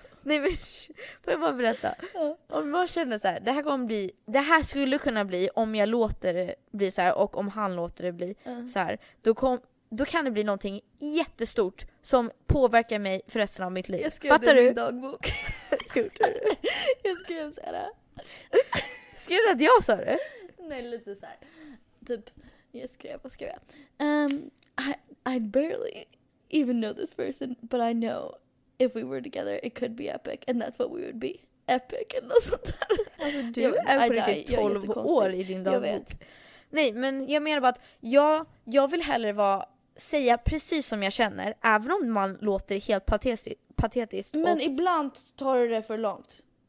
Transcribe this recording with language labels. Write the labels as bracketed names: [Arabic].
[Swedish] Nej, men får jag bara berätta. Ja. Om man känner så här, det här kommer bli, det här skulle kunna bli om jag låter det bli så här och om han låter det bli så här, då kan det bli någonting jättestort som påverkar mig för resten av mitt liv. Jag skrev det i min dagbok. Jag skrev så här. Skrev du att jag sa det? Nej, lite så här. Typ, jag skrev, vad skrev jag? [English] I barely even know this person, but I know if we were together it could be epic and that's what we would be. [Swedish] Epic eller något sånt där. Alltså, du är på 12 år i din dagbok. Jag vet. Nej, men jag menar bara att jag vill hellre vara, säga precis som jag känner, även om man låter helt patetiskt. Men och ibland tar du det för långt.